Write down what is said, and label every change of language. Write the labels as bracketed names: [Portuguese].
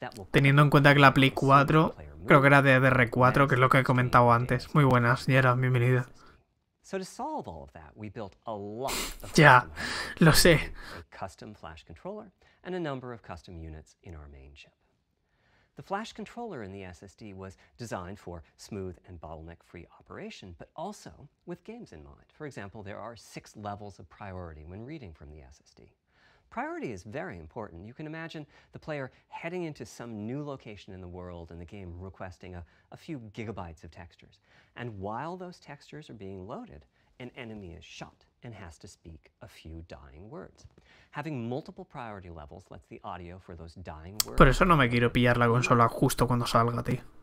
[Spanish] Teniendo en cuenta que la Play 4, creo que era de DDR4, que es lo que he comentado antes. Muy buenas, Yera, bienvenida. [English] So to solve all of that, we built a lot of custom flash controller and a number of custom units in our main chip. The flash controller in the SSD was designed for smooth and bottleneck-free operation, but also with games in mind. For example, there are 6 levels of priority when reading from the SSD. Priority is very important. You can imagine the player heading into some new location in the world and the game requesting a few gigabytes of textures. And while those textures are being loaded, an enemy is shot and has to speak a few dying words. Having multiple priority levels lets the audio for those dying words... [Spanish] Por eso no me quiero pillar la consola justo cuando salga, tío.